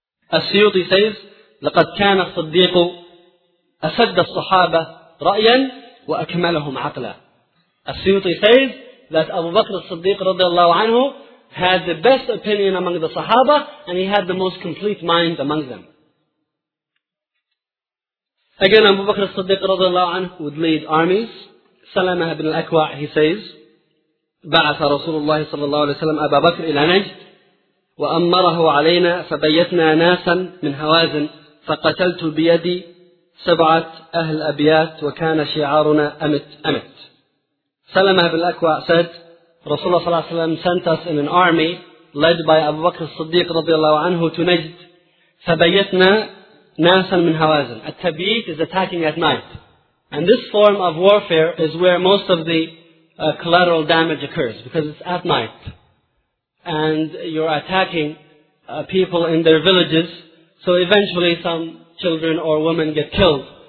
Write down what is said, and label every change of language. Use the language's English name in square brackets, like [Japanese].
[English] As-Suyuti says, [Arabic] لَقَدْ كَانَ الصَّدِّيقُ أَسَدَّ الصَّحَابَ رَأْيًا وَأَكْمَلَهُمْ عَقْلًا. [English] As-Suyuti says that Abu Bakr al-Siddiq radiallahu anhu had the best opinion among the Sahaba and he had the most complete mind among them. Again, Abu Bakr al-Siddiq radiallahu anhu would lead armies. [Arabic] Salama ibn al-Akwa, [English] he says, [Arabic] بعث رسول الله صلى الله عليه وسلم أبا بكر إلى نجد وأمره علينا فبيتنا ناسا من هوازن فقتلت بيدي 7 أهل أبيات وكان شعارنا أمت أمت. سلمة بن الأكوع said, رسول الله صلى الله عليه وسلم [English] sent us in an army led by [Arabic] أبو بكر الصديق رضي الله عنه to نجد فبيتنا ناسا من هوازن. [English] التبييت is attacking at night, and this form of warfare is where most of the collateral damage occurs, because it's at night and you're attacking people in their villages, so eventually some children or women get killed.